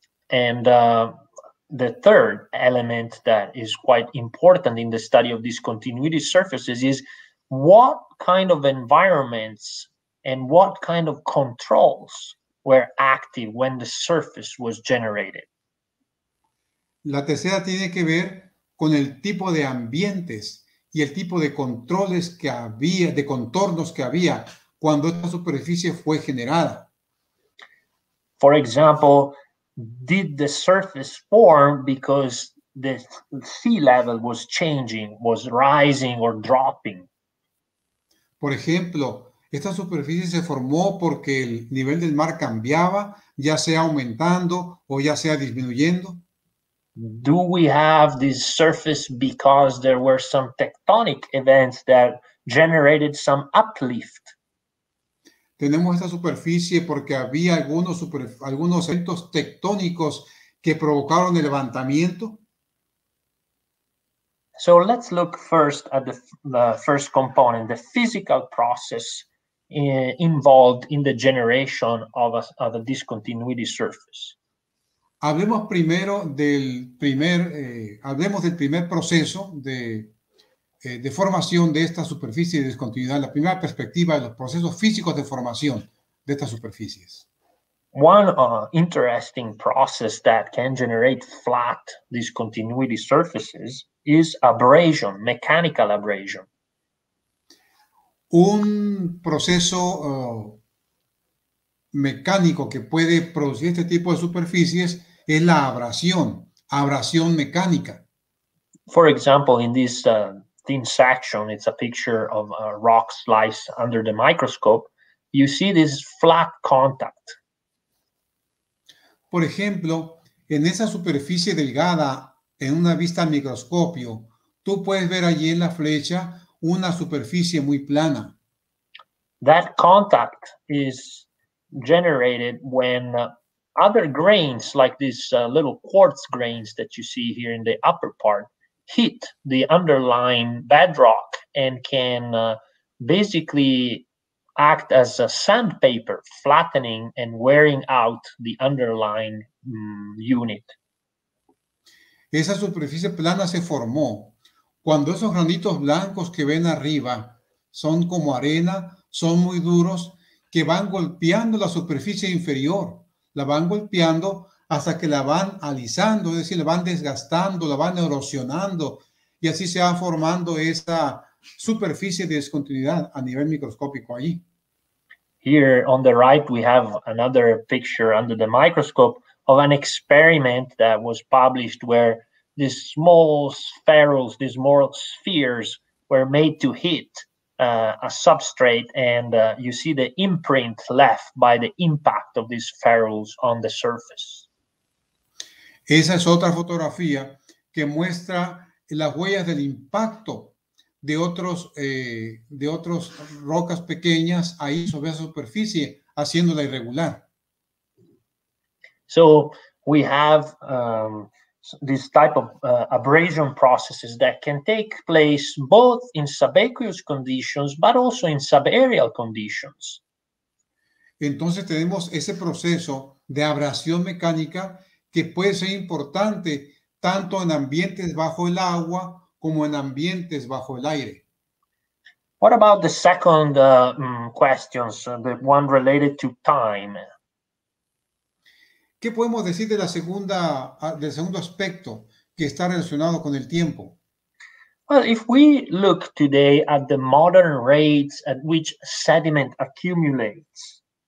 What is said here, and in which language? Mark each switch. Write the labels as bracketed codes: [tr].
[en] And the third element that is quite important in the study of discontinuity surfaces is what kind of environments and what kind of controls were active when the surface was generated. [es] La tercera tiene que ver con el tipo de ambientes y el tipo de controles que había, de contornos que había cuando esta superficie fue generada. [en] For example, did the surface form because the sea level was changing, was rising or dropping? [es] Por ejemplo, esta superficie se formó porque el nivel del mar cambiaba, ya sea aumentando o ya sea disminuyendo. [en] Do we have this surface because there were some tectonic events that generated some uplift? [es] Tenemos esta superficie porque había algunos eventos tectónicos que provocaron el levantamiento. [en] So let's look first at the first component, the physical process involved in the generation of a discontinuity surface. [es] Hablemos del primer proceso de formación de esta superficie de discontinuidad, la primera perspectiva de los procesos físicos de formación de estas superficies. [en] One interesting process that can generate flat discontinuity surfaces is abrasion, mechanical abrasion. [es] Un proceso mecánico que puede producir este tipo de superficies es la abrasión mecánica. [en] For example, in this thin section, it's a picture of a rock slice under the microscope, you see this flat contact. [es] Por ejemplo, en esa superficie delgada, en una vista al microscopio, tú puedes ver allí en la flecha una superficie muy plana. [en] That contact is generated when other grains, like these little quartz grains that you see here in the upper part, hit the underlying bedrock and can basically act as a sandpaper, flattening and wearing out the underlying unit. [es] Esa superficie plana se formó cuando esos granitos blancos que ven arriba son como arena, son muy duros, que van golpeando la superficie inferior, la van golpeando hasta que la van alisando, es decir, la van desgastando, la van erosionando, y así se va formando esa superficie de discontinuidad a nivel microscópico allí. [en] Here on the right we have another picture under the microscope of an experiment that was published where these small spherules, these small spheres were made to hit a substrate, and you see the imprint left by the impact of these spherules on the surface. [es] Esa es otra fotografía que muestra las huellas del impacto de otros rocas pequeñas ahí sobre esa superficie, haciéndola irregular. [en] So we have this type of abrasion processes that can take place both in subaqueous conditions but also in subaerial conditions. [es] Entonces tenemos ese proceso de abrasión mecánica que puede ser importante tanto en ambientes bajo el agua como en ambientes bajo el aire. [en] What about the second questions, the one related to time? [es] ¿Qué podemos decir de del segundo aspecto que está relacionado con el tiempo? [en] Well, if we look today at the modern rates at which sediment accumulates.